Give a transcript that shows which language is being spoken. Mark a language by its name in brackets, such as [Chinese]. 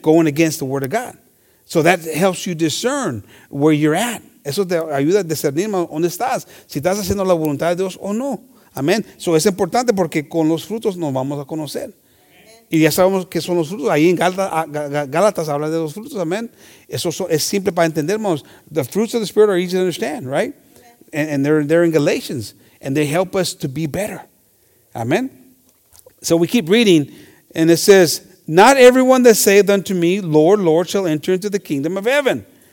[English] Going against the word of God. So that helps you discern where you're at. [Spanish] Eso te ayuda a discernir dónde estás. Si estás haciendo la voluntad de Dios o no. Amen. So es importante porque con los frutos nos vamos a conocer. Y ya sabemos qué son los frutos. Ahí en Gálatas habla de los frutos, amén. Eso es simple para entender, hermanos. [English] The fruits of the Spirit are easy to understand, right? Amen. And they're in Galatians. And they help us to be better. Amen. So we keep reading. And it says, not everyone that saith unto me, Lord, Lord, shall enter into the kingdom of heaven.